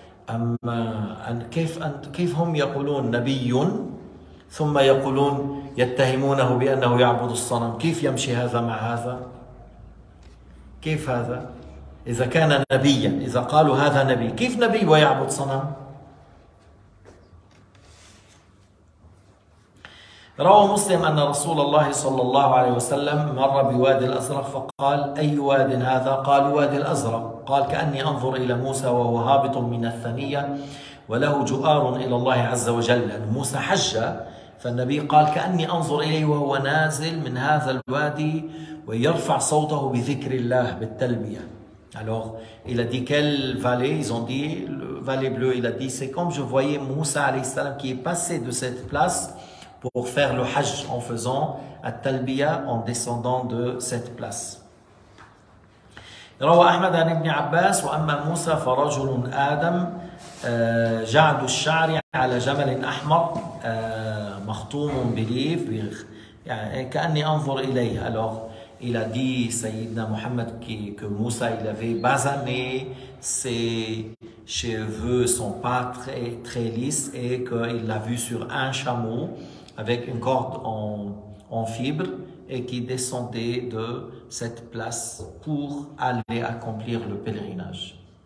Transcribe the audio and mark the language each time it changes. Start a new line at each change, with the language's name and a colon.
Arabic: أما أن كيف هم يقولون نبي ثم يقولون يتهمونه بأنه يعبد الصنم، كيف يمشي هذا مع هذا؟ كيف هذا؟ إذا كان نبيا، إذا قالوا هذا نبي، كيف نبي ويعبد صنم؟ روى مسلم أن رسول الله صلى الله عليه وسلم مر بوادي الأزرق فقال أي واد هذا؟ قال وادي الأزرق. قال كأني أنظر إلى موسى وهو هابط من الثنية وله جؤار إلى الله عز وجل. موسى حج فالنبي قال كأني أنظر إليه وهو نازل من هذا الوادي ويرفع صوته بذكر الله بالتلبية.
French: Alors, il a dit quel vallée, ils ont dit, le vallée bleu, il a dit, c'est comme je voyais Moussa alayhi salam qui est passé de cette place pour faire le hajj en faisant at-talbiya en descendant de cette place.
Arabic: روى أحمد عن ابن عباس وأما موسى فرجل آدم جعد الشعر على جمل أحمر مخطوم بليف يعني كأني أنظر إليه.
French: Alors, il a dit Sayyidina Muhammad que Moussa il avait basané ses cheveux, sont pas très, très lisses et qu'il l'a vu sur un chameau avec une corde en fibre et qui descendait de cette place pour aller accomplir le pèlerinage.